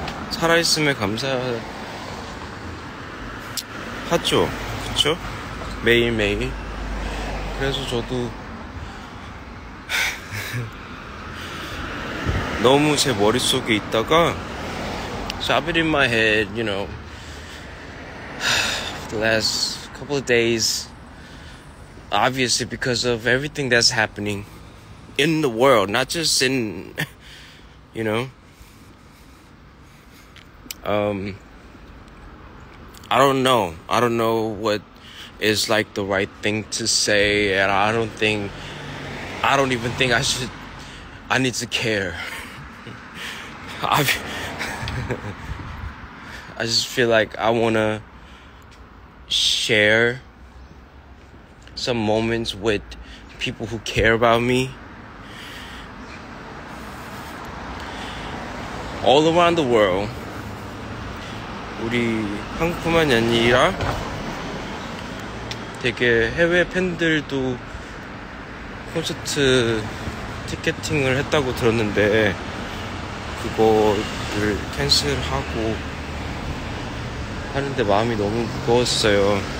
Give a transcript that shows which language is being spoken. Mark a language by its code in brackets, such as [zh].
[ko] 살아있음에 감사하죠. 그쵸? 매일매일. 그래서 저도 너무 제 머릿속에 있다가 [en] shabbit in my head, you know, the last couple of days, obviously because of everything that's happening. in the world, not just in, you know. I don't know what is like the right thing to say, and I need to care. I just feel like I wanna share some moments with people who care about me all around the world. [ko] 우리 한국뿐만 아니라 되게 해외 팬들도 콘서트 티켓팅을 했다고 들었는데 그거를 캔슬하고 하는데 마음이 너무 무거웠어요.